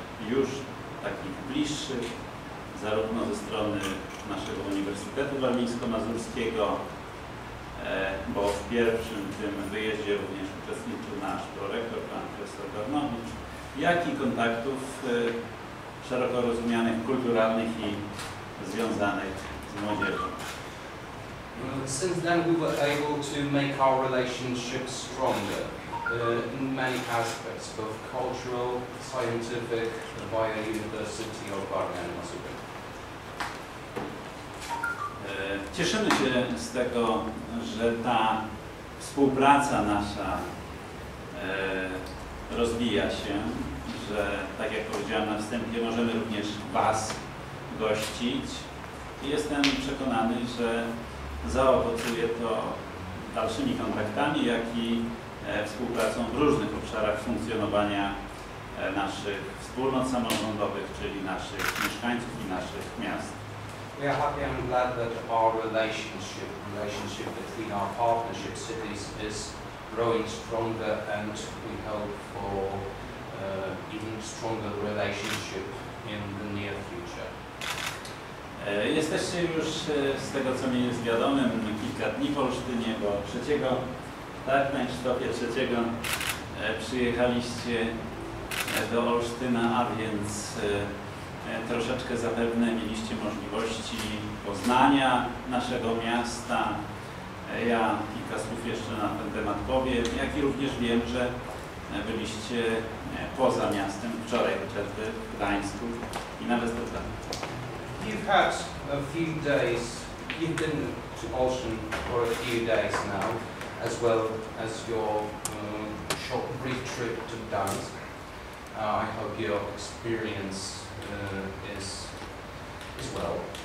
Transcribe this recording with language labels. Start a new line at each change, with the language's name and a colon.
Polish: już takich bliższych, zarówno ze strony naszego Uniwersytetu Warmińsko-Mazurskiego, bo w pierwszym tym wyjeździe również uczestniczył nasz prorektor, pan profesor Garnowicz, jak i kontaktów szeroko rozumianych, kulturalnych i związanych z młodzieżą.
English: Since then we were able to make our relationship stronger in many aspects, both cultural, scientific, via University of Warmia-Mazury.
Polish: Cieszymy się z tego, że ta współpraca nasza rozwija się, że, tak jak powiedziałem na wstępie, możemy również Was gościć. I jestem przekonany, że zaowocuje to dalszymi kontaktami, jak i współpracą w różnych obszarach funkcjonowania naszych wspólnot samorządowych, czyli naszych mieszkańców i naszych miast.
English: We are happy and glad that our relationship between our partnership cities is growing stronger and we hope for even stronger relationship in the near future.
Polish: Jesteście już, z tego co mi jest wiadomym, kilka dni w Olsztynie, bo trzeciego, tak na stopie trzeciego przyjechaliście do Olsztyna, a więc troszeczkę zapewne mieliście możliwości poznania naszego miasta. Ja kilka słów jeszcze na ten temat powiem, jak i również wiem, że byliście poza miastem wczoraj, chociażby w Gdańsku i na Westerplatte.
English: You've had a few days, you've been to Olsztyn for a few days now, as well as your short brief trip to Gdańsk. I hope your experience is well.